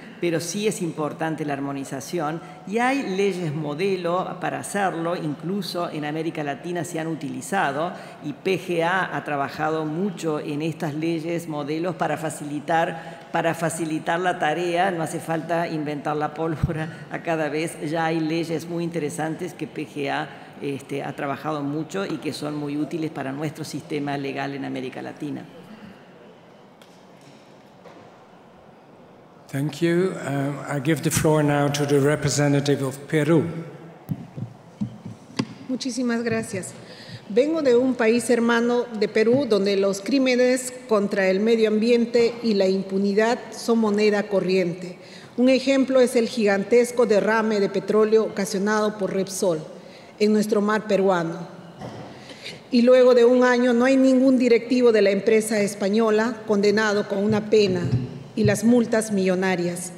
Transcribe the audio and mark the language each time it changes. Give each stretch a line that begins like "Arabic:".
Spanish: pero sí es importante la armonización y hay leyes modelo para hacerlo, incluso en América Latina se han utilizado y PGA ha trabajado mucho en estas leyes modelos para facilitar la tarea, no hace falta inventar la pólvora a cada vez, ya hay leyes muy interesantes que PGA ha trabajado mucho y que son muy útiles para nuestro sistema legal en América Latina.
English: Thank you. I give the floor now to the representative of Peru.
Spanish: Muchísimas gracias. Vengo de un país hermano de Perú donde los crímenes contra el medio ambiente y la impunidad son moneda corriente. Un ejemplo es el gigantesco derrame de petróleo ocasionado por Repsol. en nuestro mar peruano. Y luego de un año no hay ningún directivo de la empresa española condenado con una pena y las multas millonarias.